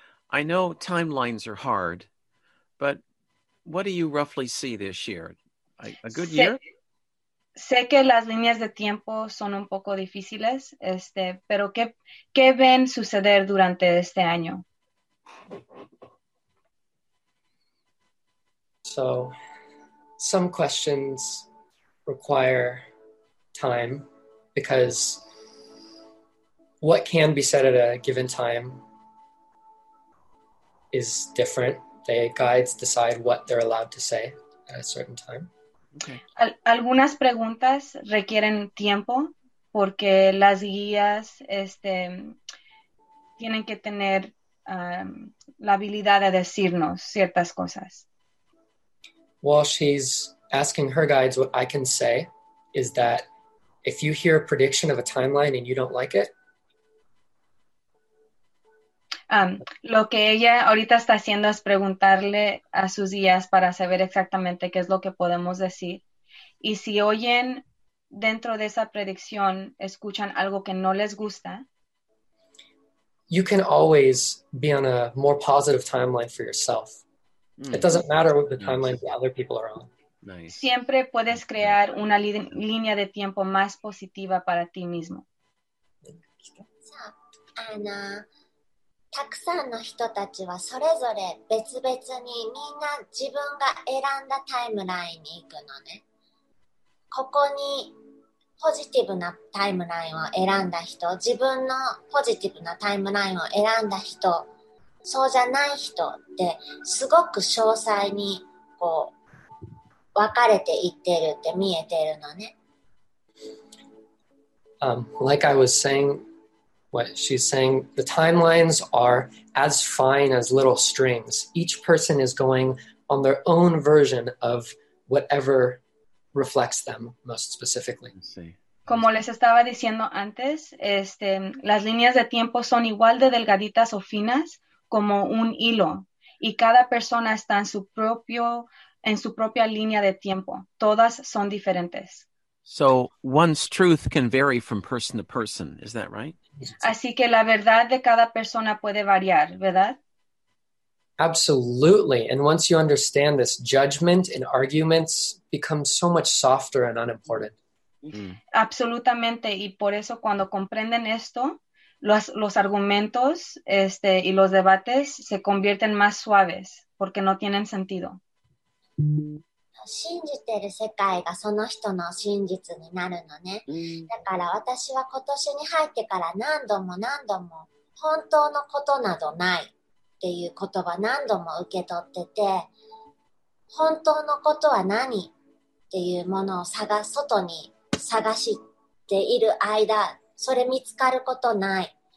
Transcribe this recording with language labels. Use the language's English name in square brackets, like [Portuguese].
[English] I know timelines are hard, but what do you roughly see this year? A good year? [Spanish] Sé que las líneas de tiempo son un poco difíciles, pero ¿qué ven suceder durante este año? [English] So, some questions require time, because what can be said at a given time is different. The guides decide what they're allowed to say at a certain time. Okay. [Spanish] Algunas preguntas requieren tiempo porque las guías tienen que tener la habilidad de decirnos ciertas cosas. [English] While she's asking her guides, what I can say is that if you hear a prediction of a timeline and you don't like it, [Spanish] Lo que ella ahorita está haciendo es preguntarle a sus guías para saber exactamente qué es lo que podemos decir. Y si oyen dentro de esa predicción, escuchan algo que no les gusta. [English] You can always be on a more positive timeline for yourself. Mm. It doesn't matter what the timeline the other people are on. Nice. [Spanish] Siempre puedes crear una línea de tiempo más positiva para ti mismo. Ana. [Japanese] たくさんの人たちはそれぞれ別々にみんな自分が選んだタイムラインに行くのね。ここにポジティブなタイムラインを選んだ人、自分のポジティブなタイムラインを選んだ人、そうじゃない人ってすごく詳細にこう分かれていってるって見えてるのね。 [English] Like I was saying,What she's saying, the timelines are as fine as little strings. Each person is going on their own version of whatever reflects them most specifically. [Spanish] Como les estaba diciendo antes, las líneas de tiempo son igual de delgaditas o finas como un hilo. Y cada persona está en su propia línea de tiempo. Todas son diferentes. [English] So one's truth can vary from person to person, is that right? [Spanish] Así que la verdad de cada persona puede variar, ¿verdad? [English] Absolutely. And once you understand this, judgment and arguments become so much softer and unimportant. [Spanish] Absolutamente. Y por eso cuando comprenden esto, los argumentos este, y los debates se convierten más suaves porque no tienen sentido. [Japanese] 信じてる世界がその人の真実になるのね。だから私は今年に入ってから何度も何度も本当のことなどないっていう言葉何度も受け取ってて、本当のことは何っていうものを探す、外に探している間、それ見つかることない。